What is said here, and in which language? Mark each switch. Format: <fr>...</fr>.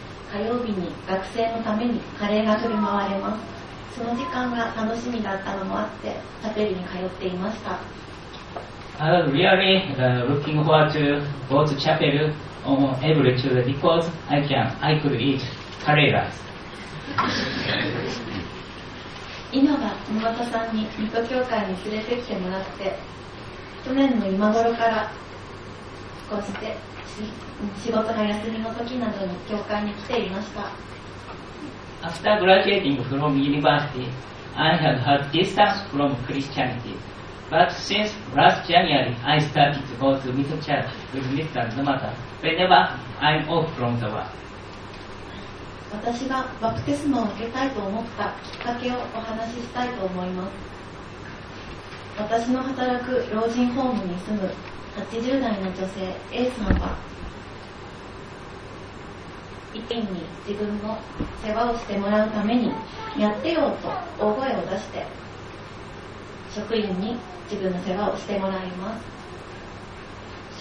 <ja>火曜日に学生のためにカレーが振る舞われます。その時間が楽しみだったのもあって、チャペルに通っていました。</ja> <en>I was really looking forward to go to chapel on every Tuesday because I could eat curry rice.</en> <ja>今は沼田さんに御徒教会に連れてきてもらって、去年の今頃からこうして仕事が休みの時などに教会に来ていました。</ja> <en>After graduating from university, I have had distance from Christianity. But since last January, I started to go to Mito Church with Mr. Nomata whenever I'm off from the work.</en> <ja>私がバプテスマを受けたいと思ったきっかけをお話ししたいと思います。私の働く老人ホームに住む80代の女性 A さんは、一人に自分の世話をしてもらうためにやってよと大声を出して職員に自分の世話をしてもらいます。</ja>